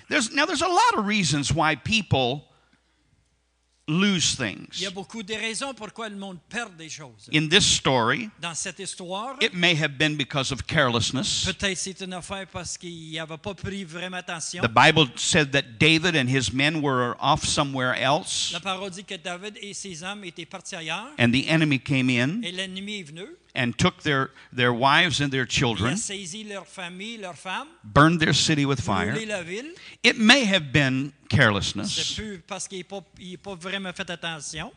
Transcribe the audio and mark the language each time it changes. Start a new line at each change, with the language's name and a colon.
English: There's a lot of reasons why people lose things.
French: Il y a beaucoup de raisons pourquoi le monde perd des choses.
English: In this story,
French: dans cette histoire,
English: it may have been because of carelessness.
French: Peut-être c'est une affaire parce qu'il avait pas pris vraiment attention.
English: The Bible said that David and his men were off somewhere else.
French: La parole dit que David et ses hommes étaient partis ailleurs.
English: And the enemy came in.
French: Et l'ennemi est venu.
English: And took their wives and their children.
French: Il a saisi leur famille, leur femme.
English: Burned their city with fire.
French: Brûlé la ville.
English: It may have been carelessness.
French: C'est plus parce qu'il n'a pas vraiment fait attention.